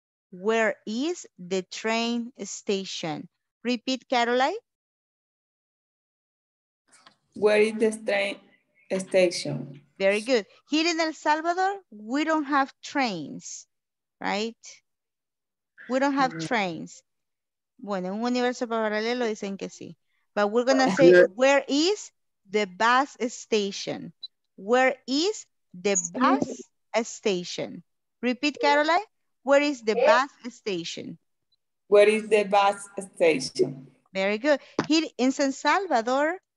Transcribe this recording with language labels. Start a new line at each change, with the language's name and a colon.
English: Where is the train station? Repeat, Caroline. Where is the train station? Very good. Here in El Salvador, we don't have trains, right? We don't have trains.
Spanish: Bueno, en un universo paralelo dicen que sí.
English: But we're gonna say, where is the bus station? Where is the bus station? Repeat, Caroline. Where is the bus station? Where is the bus station? Very good. Here in San Salvador,